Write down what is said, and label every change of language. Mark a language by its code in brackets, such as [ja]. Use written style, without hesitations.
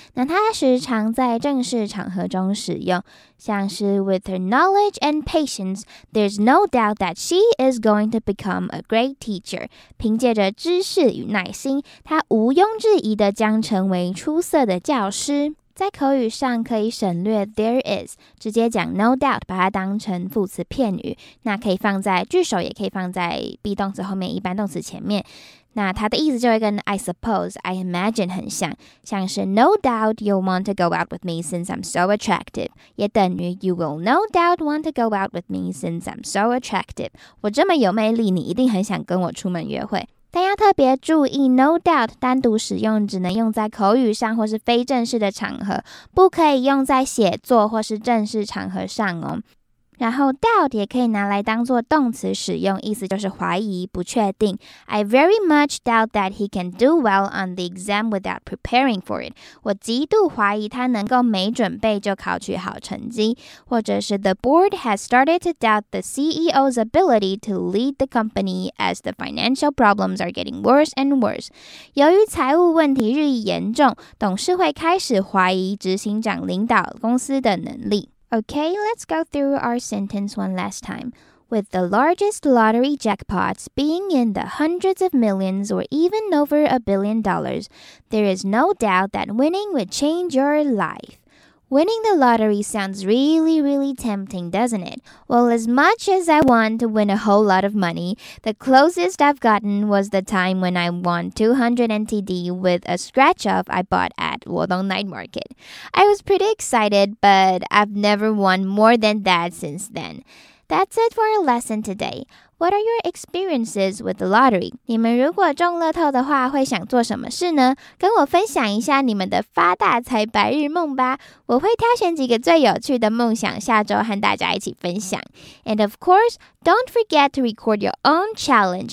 [zh] 那它时常在正式场合中使用，像是 [en] With her knowledge and patience, there's no doubt that she is going to become a great teacher. [zh] 凭借着知识与耐心，她毋庸置疑的将成为出色的教师。在口语上可以省略 there is， 直接讲 no doubt， 把它当成副词片语，那可以放在句首，也可以放在 be 动词后面一般动词前面。那它的意思就会跟 I suppose、 I imagine 很像，像是 [en] no doubt you'll want to go out with me since I'm so attractive， [zh] 也等于 [en] you will no doubt want to go out with me since I'm so attractive， [zh] 我这么有魅力，你一定很想跟我出门约会。但要特别注意 no doubt 单独使用只能用在口语上或是非正式的场合，不可以用在写作或是正式场合上哦。然后 doubt 也可以拿来当作动词使用，意思就是怀疑、不确定。 [en] I very much doubt that he can do well on the exam without preparing for it. [zh] 我极度怀疑他能够没准备就考取好成绩。或者是 [en] The board has started to doubt the CEO's ability to lead the company as the financial problems are getting worse and worse. [zh] 由于财务问题日益严重，董事会开始怀疑执行长领导公司的能力。 [en] Okay, let's go through our sentence one last time. With the largest lottery jackpots being in the hundreds of millions or even over $1 billion, there is no doubt that winning would change your life. Winning the lottery sounds really, really tempting, doesn't it? Well, as much as I want to win a whole lot of money, the closest I've gotten was the time when I won 200 NTD with a scratch-off I bought at Wodong Night Market. I was pretty excited, but I've never won more than that since then. That's it for our lesson today. What are your experiences with the lottery? [zh] 你们如果中乐透的话会想做什么事呢？跟我分享一下你们的发大财白日梦吧。我会挑选几个最有趣的梦想，下周和大家一起分享。 [en] And of course, don't forget to record your own challenge.